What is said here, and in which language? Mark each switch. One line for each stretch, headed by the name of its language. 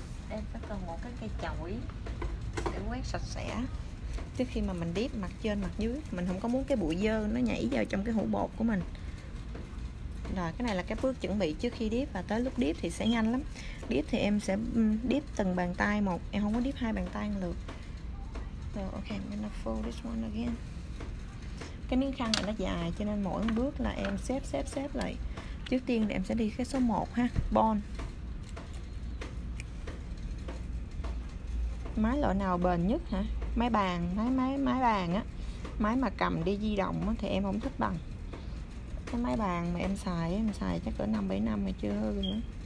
Vietnamese: Em sẽ cần một cái cây chổi để quét sạch sẽ trước khi mà mình dip mặt trên mặt dưới. Mình không có muốn cái bụi dơ nó nhảy vào trong cái hũ bột của mình. Rồi, cái này là cái bước chuẩn bị trước khi dip, và tới lúc dip thì sẽ nhanh lắm. Dip thì em sẽ dip từng bàn tay một, em không có dip hai bàn tay một lượt.
English: So, ok, I'm gonna fold this one again.
Vietnamese: Cái miếng khăn này nó dài cho nên mỗi bước là em xếp lại. Trước tiên thì em sẽ đi cái số 1 ha, bond. Máy loại nào bền nhất hả? Máy bàn á. Máy mà cầm đi di động á, thì em không thích bằng. Cái máy bàn mà em xài chắc cỡ 5-7 năm rồi chưa hư nữa.